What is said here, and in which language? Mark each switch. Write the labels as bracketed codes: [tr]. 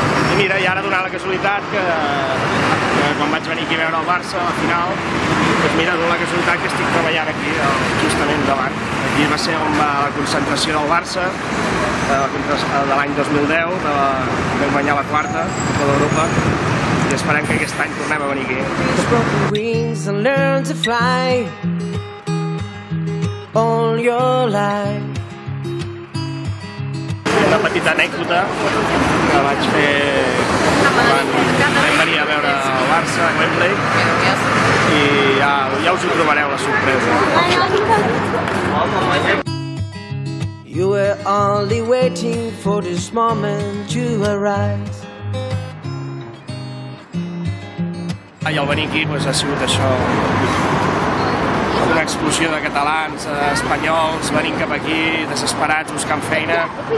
[ca] I mira, i ara donar la casualitat que quan vaig venir aquí a veure el Barça al final, doncs mira, donar la casualitat que estic treballant aquí, justament davant. Aquí va ser on va la concentració del Barça, de l'any 2010, que vam guanyar la quarta Copa d'Europa, i esperem que aquest any tornem a venir aquí. [en] The broken wings and learn to fly all your life. [ca] Una petita anècdota que vaig fer quan vam venir a veure el Barça a Wembley i ja us ho trobareu la sorpresa. [en] You were only waiting for this moment to arise. [ca] I al venir aquí doncs, ha sigut això, una explosió de catalans, espanyols, venint cap aquí desesperats, buscant feina.